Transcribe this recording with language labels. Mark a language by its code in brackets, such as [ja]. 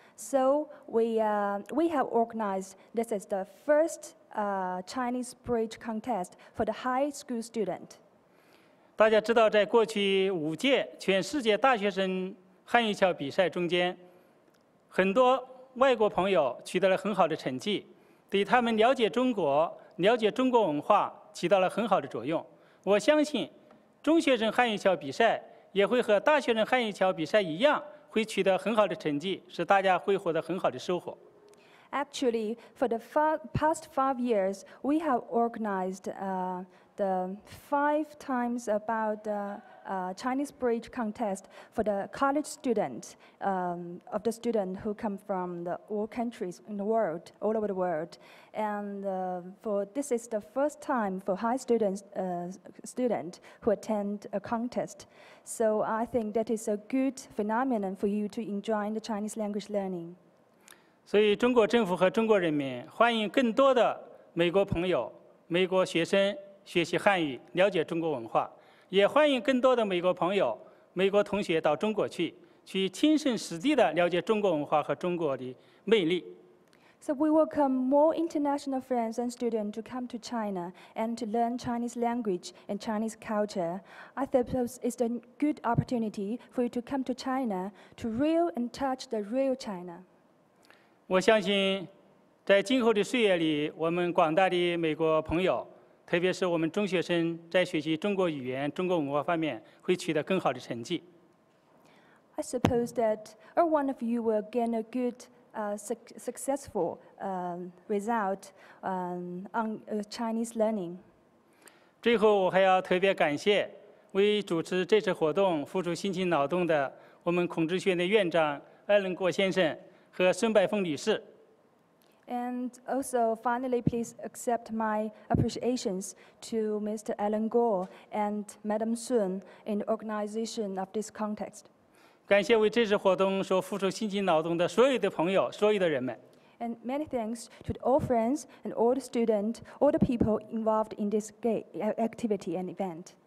[en] So we have organized, this is the first Chinese Bridge Contest for the high school student. [zh] 大家知道在过去五届全世界大学生汉语桥比赛中间，很多外国朋友取得了很好的成绩，对他们了解中国、了解中国文化起到了很好的作用。我相信中学生汉语桥比赛也会和大学生汉语桥比赛一样会取得很好的成绩，使大家会获得很好的收获。 [en] Actually, for the past 5 years, we have organized the 5 times about the Chinese Bridge Contest for the college students of the students who come from all countries in the world, all over the world. And for this is the first time for high students student who attend a contest. So I think that is a good phenomenon for you to enjoy the Chinese language learning. [zh] 所以中国政府和中国人民欢迎更多的美国朋友、美国学生学习汉语，了解中国文化。也欢迎更多的美国朋友、美国同学到中国去，去亲身实地地了解中国文化和中国的魅力。 [en] So we welcome more international friends and students to come to China and to learn Chinese language and Chinese culture. I suppose it's a good opportunity for you to come to China to real and touch the real China. [zh] 我相信，在今后的岁月里，我们广大的美国朋友。特别是我们中学生在学习中国语言、中国文化方面会取得更好的成绩。 [en] I suppose that all one of you will gain a good successful result on Chinese learning. [zh] 最后，我还要特别感谢为主持这次活动付出辛勤劳动的我们孔志学院的院长艾伦郭先生和孙百凤女士。 [en] And also, finally, please accept my appreciations to Mr. Alan Gore and Madam Sun in the organization of this contest. [zh] 感谢为这次活动所付出辛勤劳动的所有的朋友、所有的人们。 [en] And many thanks to all friends and all the students, all the people involved in this activity and event.